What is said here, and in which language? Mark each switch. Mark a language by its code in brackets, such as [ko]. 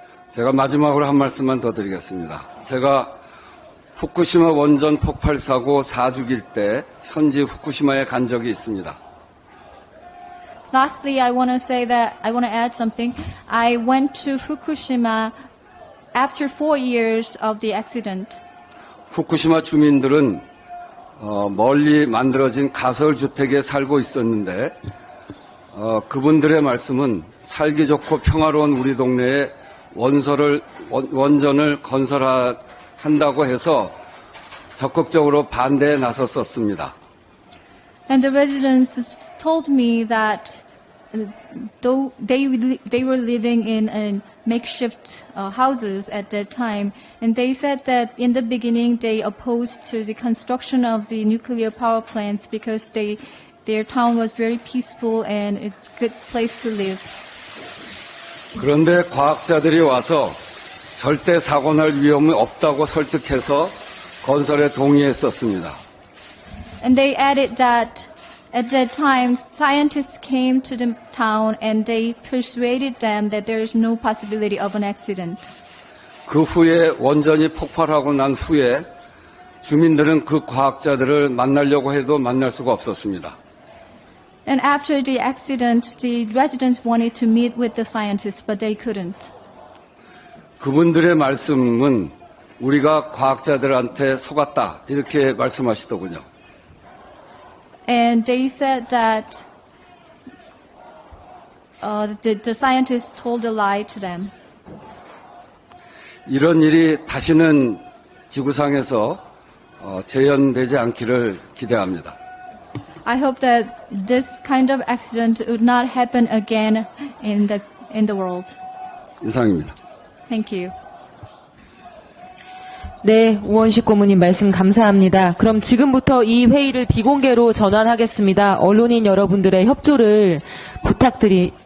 [ko] 제가 마지막으로 한 말씀만 더 드리겠습니다. 제가 후쿠시마 원전 폭발 사고 4주기 때 현지 후쿠시마에 간 적이 있습니다. [en] Lastly, I want to add something. I went to Fukushima after 4 years of the accident. [ko] 후쿠시마 주민들은 멀리 만들어진 가설 주택에 살고 있었는데 그분들의 말씀은 살기 좋고 평화로운 우리 동네에 원전을 건설한다고 해서 적극적으로 반대에 나섰었습니다. [en] And the residents told me that though they were living in a makeshift houses at that time, and they said that in the beginning they opposed to the construction of the nuclear power plants because their town was very peaceful and it's a good place to live. [ko] 그런데 과학자들이 와서 절대 사고 날 위험이 없다고 설득해서 건설에 동의했었습니다. [en] And they added that at that time, scientists came to the town and they persuaded them that there is no possibility of an accident. [ko] 그 후에 원전이 폭발하고 난 후에 주민들은 그 과학자들을 만나려고 해도 만날 수가 없었습니다. [en] And after the accident, the residents wanted to meet with the scientists, but they couldn't. [ko] 그분들의 말씀은 우리가 과학자들한테 속았다 이렇게 말씀하시더군요. [en] And they said that the scientists told a lie to them. [ko] 이런 일이 다시는 지구상에서 재현되지 않기를 기대합니다. [en] I hope that this kind of accident would not happen again in the world. [ko] 이상입니다. [en] Thank you. [ko] 네, 우원식 고문님 말씀 감사합니다. 그럼 지금부터 이 회의를 비공개로 전환하겠습니다. 언론인 여러분들의 협조를 부탁드립니다.